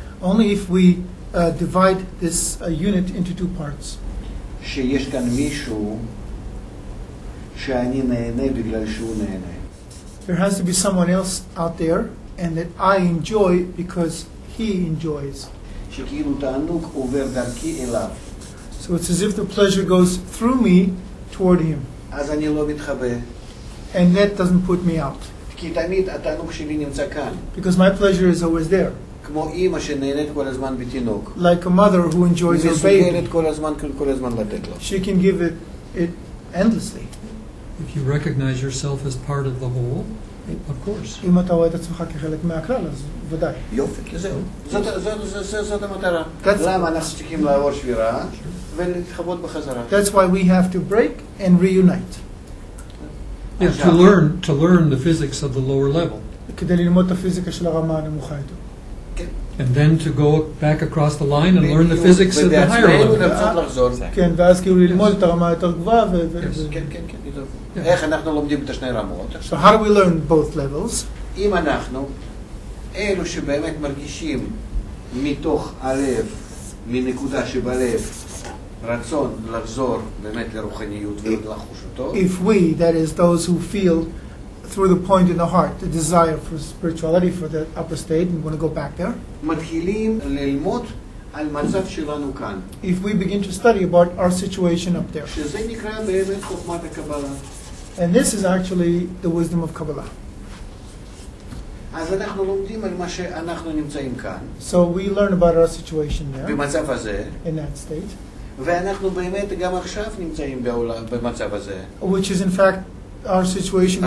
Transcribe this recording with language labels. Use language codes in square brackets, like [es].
[en] Only if we divide this unit into two parts. [he] שיש כאן מישהו שאני נהנה בגלל שהוא נהנה. [en] There has to be someone else out there and that I enjoy because he enjoys. So it's as if the pleasure goes through me toward him. And that doesn't put me out. Because my pleasure is always there. Like a mother who enjoys her baby. She can give it endlessly. If you recognize yourself as part of the whole, of course. [he] אם אתה רואה את עצמך כחלק מהכלל, אז ודאי. יופי, זהו. זאת המטרה. למה אנחנו צריכים לעבור שבירה ולהתחבות בחזרה? [en] That's why we have to break and reunite. Yes, to learn the physics of the lower level. [he] כדי ללמוד את הפיזיקה של הרמה הנמוכה יותר. [en] And then to go back across the line and learn the physics of the higher level. [he] כן, ואז כאילו ללמוד את הרמה יותר גבוהה. כן, כן, כן. איך אנחנו לומדים את השני רמות? [en] So how do we learn both levels? [he] אם אנחנו, אלו שבאמת מרגישים מתוך הלב, מנקודה שבלב, רצון לחזור באמת לרוחניות ולחוש אותו. [en] If we, that is those who feel through the point in the heart, the desire for spirituality, for the upper state, and want to go back there. [he] מתחילים ללמוד על מצב שלנו כאן. [en] If we begin to study about our situation up there. [he] שזה נקרא באמת חוכמת הקבלה. [en] And this is actually the wisdom of Kabbalah. [he] אז אנחנו לומדים על מה שאנחנו נמצאים כאן. [en] So we learn about our situation there. [he] במצב הזה. [en] In that state. [he] ואנחנו באמת גם עכשיו נמצאים במצב הזה. [en] Which is in fact our situation even now.